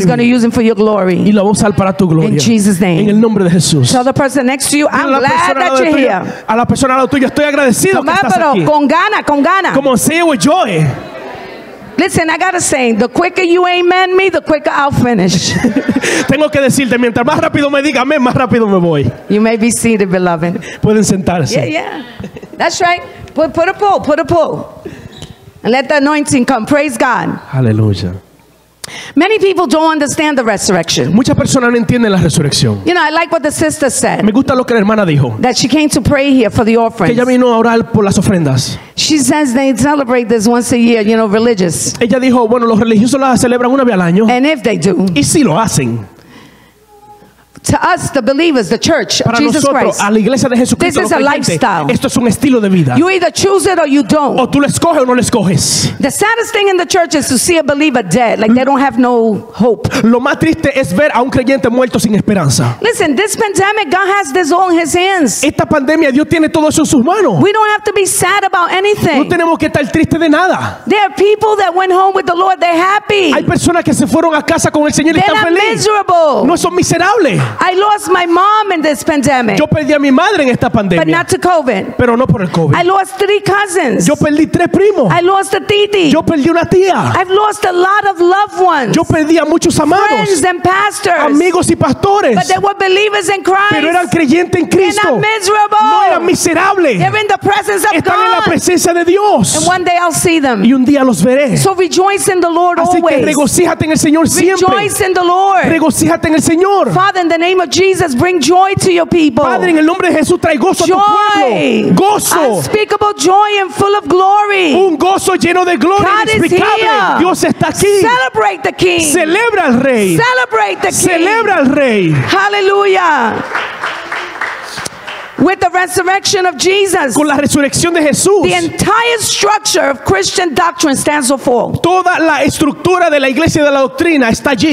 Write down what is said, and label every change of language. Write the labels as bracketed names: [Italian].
[English] He's going to use them for your glory. [Spanish] Y lo va a usar para tu gloria. [English] In Jesus' name. [Spanish] En el nombre de Jesús. [English] Tell the person next to you, I'm glad that you're here. [Spanish] A la persona al lado tuyo, estoy agradecido que estás aquí. Con gana, con gana. [English] Como say it with joy. Listen, I got a saying. The quicker you amen me, the quicker I'll finish. [Spanish] Tengo que decirte, mientras más rápido me diga amén, más rápido me voy. [English] You may be seated, beloved. [Spanish] Pueden sentarse. [English] Yeah, yeah. That's right. Put a pull, put a pull. And let the anointing come. Praise God. Hallelujah. Many people don't understand the resurrection. [Spanish] Muchas personas no entienden la resurrección. [English] You know, I like what the sister said. [Spanish] Me gusta lo que la hermana dijo. [English] That she came to pray here for the offerings. [Spanish] Que ella vino a orar por las ofrendas. [English] She says they celebrate this once a year, you know, religious. [Spanish] Ella dijo, bueno, los religiosos la celebran una vez al año. [English] And if they do. [Spanish] Y si lo hacen. [English] To us, the believers, the church of [Spanish] para [English] Jesus [Spanish] nosotros, [English] Christ. [Spanish] A la iglesia de Jesucristo, [English] this is [Spanish] creyentes, [English] a lifestyle. [Spanish] Esto es un estilo de vida. [English] You either choose it or you don't. [Spanish] O tú lo escoges o no lo escoges. [English] The saddest thing in the church is to see a believer dead, like they don't have no hope. [Spanish] Lo más triste es ver a un creyente muerto sin esperanza. [English] Listen, this pandemic, God has this all in his hands. [Spanish] Esta pandemia, Dios tiene todo eso en sus manos. [English] We don't have to be sad about anything. [Spanish] No tenemos que estar tristes de nada. [English] There are people that went home with the Lord, they're happy. [Spanish] Hay personas que se fueron a casa con el Señor y [English] they're [Spanish] están felices. [English] They're not miserable. [Spanish] No son miserables. [English] I lost my mom in this pandemic. [Spanish] Yo perdí a mi madre en esta pandemia. [English] But not to COVID. [Spanish] Pero no por el COVID. [English] I lost three cousins. [Spanish] Yo perdí tres primos. [English] I lost a titi. [Spanish] Yo perdí una tía. [English] I've lost a lot of loved ones. [Spanish] Yo perdí a muchos amados. [English] Friends and pastors. [Spanish] Amigos y pastores. [English] But they were believers in Christ. [Spanish] Pero eran creyentes en Cristo. [English] They're not miserable. [Spanish] No eran miserables. [English] They're in the presence of [Spanish] están [English] God. [Spanish] En la presencia de Dios. [English] And one day I'll see them. [Spanish] Y un día los veré. [English] So rejoice in the Lord [Spanish] así [English] always. [Spanish] Que regocíjate en el Señor siempre. [English] Rejoice in the Lord. [Spanish] Regocíjate en el Señor. [English] Father, in the name of Jesus, bring joy to your people. [Spanish] Padre, en el nombre de Jesús, trae gozo [English] joy, [Spanish] a tu pueblo. Gozo. [English] Unspeakable joy and full of glory. [Spanish] Un gozo lleno de gloria. [English] God is here. [Spanish] Dios está aquí. [English] Celebrate the King. [Spanish] Celebra al Rey. [English] Celebrate the King. [Spanish] Celebra al Rey. [English] Hallelujah. With the resurrection of Jesus, [Spanish] con la resurrección de Jesús, [English] the entire structure of Christian doctrine stands or falls. [Spanish] Toda la estructura de la iglesia de la doctrina está allí.